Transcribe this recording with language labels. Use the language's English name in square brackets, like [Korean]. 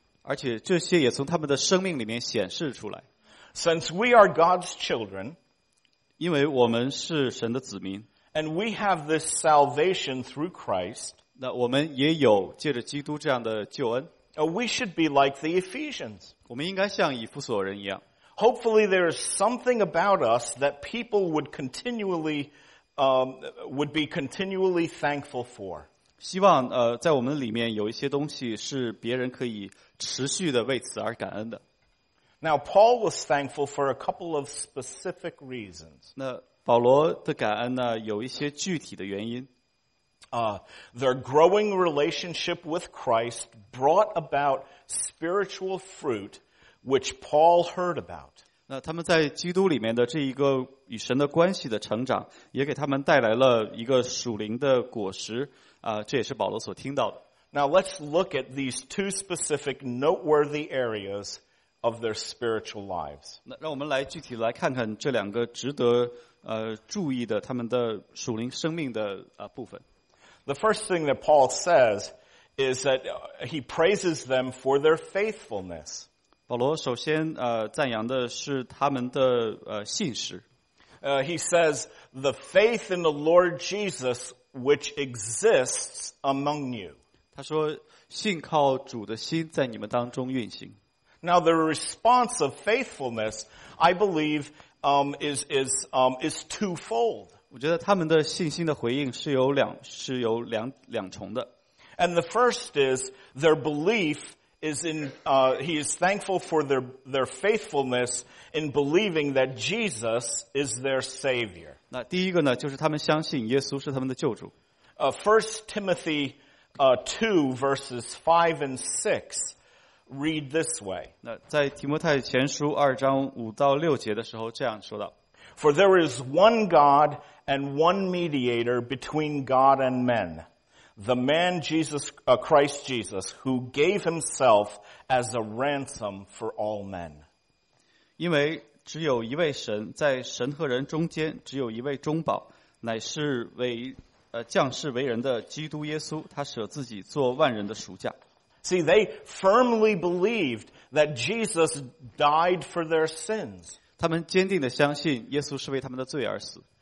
[Chinese] 而且这些也从他们的生命里面显示出来。 [English] Since we are God's children, [Chinese] 因为我们是神的子民 [English] ，and we have this salvation through Christ, [Chinese] 那我们也有借着基督这样的救恩。 [English] We should be like the Ephesians. [Chinese] 我们应该像以弗所人一样。 [English] Hopefully, there is something about us that people would continually, would be continually thankful for. [Chinese] 希望在我们里面有一些东西是别人可以持续的为此而感恩的。 [English] Now Paul was thankful for a couple of specific reasons. [Chinese] 那保罗的感恩呢，有一些具体的原因。 [English] Their growing relationship with Christ brought about spiritual fruit, which Paul heard about. [Chinese] 那他们在基督里面的这一个与神的关系的成长，也给他们带来了一个属灵的果实。这也是保罗所听到的。 [English] Now let's look at these two specific noteworthy areas of their spiritual lives. [Chinese] 那让我们来具体来看看这两个值得注意的他们的属灵生命的部分。 [English] The first thing that Paul says is that he praises them for their faithfulness. [Chinese] 保罗首先赞扬的是他们的信实。 [English] He says the faith in the Lord Jesus. Which exists among you. [Chinese] 他说，信靠主的心在你们当中运行。 [English] Now the response of faithfulness, I believe, is twofold. [Chinese] 我觉得他们的信心的回应是有两是有两两重的。 [English] And the first is their belief is in, he is thankful for their faithfulness in believing that Jesus is their Savior. [Chinese] 那第一个呢，就是他们相信耶稣是他们的救主。 [English] First Timothy, 2 verses 5 and 6 read this way. [Chinese] 那在提摩太前书二章五到六节的时候这样说道。 [English] For there is one God and one mediator between God and men. The man Jesus, Christ Jesus, who gave himself as a ransom for all men. [Chinese] 因为只有一位神，在神和人中间只有一位中保，乃是为降世为人的基督耶稣，他舍自己做万人的赎价。 [English] See, they firmly believed that Jesus died for their sins. [Chinese] 他们坚定地相信耶稣是为他们的罪而死。